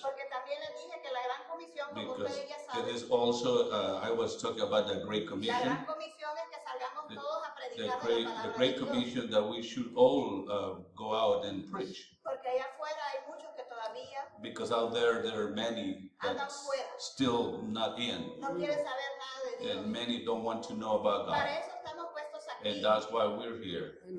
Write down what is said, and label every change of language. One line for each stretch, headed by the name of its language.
Spanish: Porque también les dije que la gran comisión, como
English: because
Spanish: ustedes ya saben,
English: it is also, I was talking about the Great Commission.
Spanish: La gran comisión es que salgamos todos a predicar la palabra de Dios.
English: The Great Commission that we should all go out and preach.
Spanish: Porque allá afuera hay muchos que todavía.
English: Because out there, there are many that still not in.
Spanish: No quieren saber nada de Dios.
English: And many don't want to know about God.
Spanish: Para eso estamos.
English: And that's why we're here.